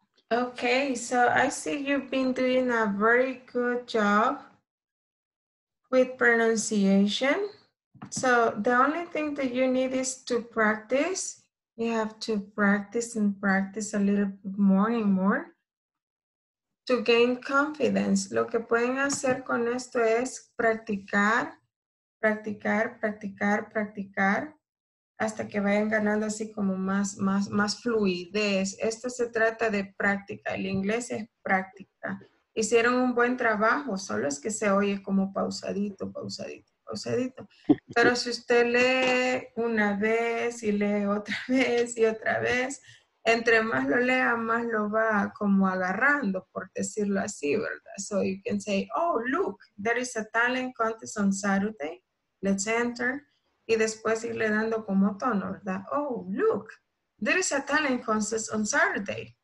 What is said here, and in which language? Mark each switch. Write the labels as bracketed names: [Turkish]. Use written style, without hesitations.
[English] Okay. So I see you've been doing a very good job. with pronunciation. So the only thing that you need is to practice. You have to practice and practice a little bit more and more to gain confidence. [Spanish] Lo que pueden hacer con esto es practicar, practicar, practicar, practicar, hasta que vayan ganando así como más, más, más fluidez. Esto se trata de práctica. El inglés es práctica. Hicieron un buen trabajo, solo es que se oye como pausadito, pausadito, pausadito. Pero si usted lee una vez y lee otra vez y otra vez, entre más lo lea, más lo va como agarrando, por decirlo así, ¿verdad? [English] So you can say, oh, look, there is a talent contest on Saturday. Let's enter. [Spanish] Y después irle dando como tono, ¿verdad? [English] Oh, look, there is a talent contest on Saturday.